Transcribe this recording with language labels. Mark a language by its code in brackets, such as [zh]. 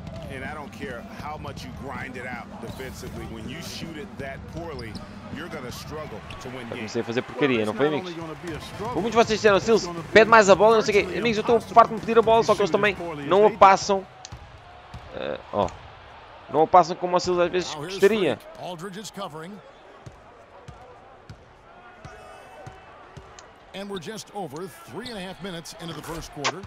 [en] And I don't care how much you grind it out defensively. When you shoot it that poorly, you're gonna struggle to win games. [pt] Eu comecei a fazer porcaria, não foi, amigos? Muitos de vocês disseram, Sils, pede mais a bola, não sei o quê. Amigos, eu estou farto de me pedir a bola, só que eles também não a passam. Não a passam como o Sils às vezes gostaria. [en] Aldridge is covering. And we're just over 3.5 minutes into the first quarter.